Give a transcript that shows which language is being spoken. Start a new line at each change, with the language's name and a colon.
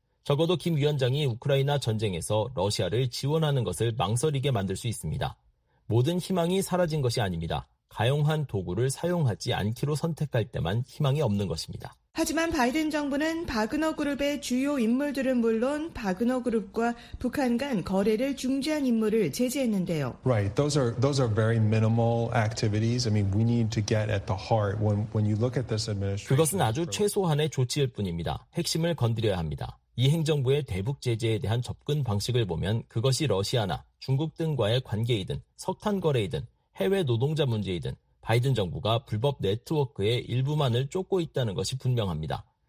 Korean: 적어도 김 위원장이 우크라이나 전쟁에서 러시아를 지원하는 것을 망설이게 만들 수 있습니다. 모든 희망이 사라진 것이 아닙니다. 가용한 도구를 사용하지 않기로 선택할 때만 희망이 없는 것입니다. 하지만 바이든 정부는 바그너 그룹의 주요 인물들은 물론 바그너 그룹과 북한 간 거래를 중지한 인물을 제재했는데요.
English: Right. Those are very minimal activities. I mean, we need to get at the heart when you look at this administration.
Korean: 그것은 아주 최소한의 조치일 뿐입니다. 핵심을 건드려야 합니다. 이 행정부의 대북 제재에 대한 접근 방식을 보면 그것이 러시아나 중국 등과의 관계이든 석탄 거래이든 해외 노동자 문제이든 바이든 정부가 불법 네트워크의 일부만을 쫓고 있다는 것이 분명합니다.